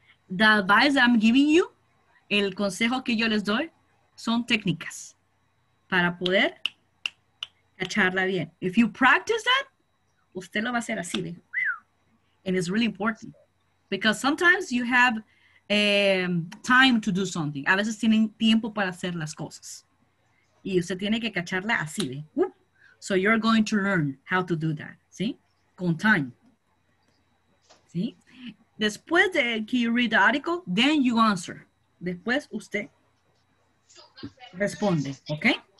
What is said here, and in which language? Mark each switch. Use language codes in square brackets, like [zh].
[en] The advice that I'm giving you, [es] el consejo que yo les doy, son técnicas para poder cacharla bien. [en] If you practice that, [es] usted lo va a hacer así, ¿eh? [en] And it's really important. Because sometimes you have time to do something. [es] A veces tienen tiempo para hacer las cosas. Y usted tiene que cacharla así. [en] So you're going to learn how to do that. [es] ¿Sí? Con [en] time. [es] ¿Sí? Después de que [en] you read the article, then you answer. [es] Después usted responde. [en] Okay?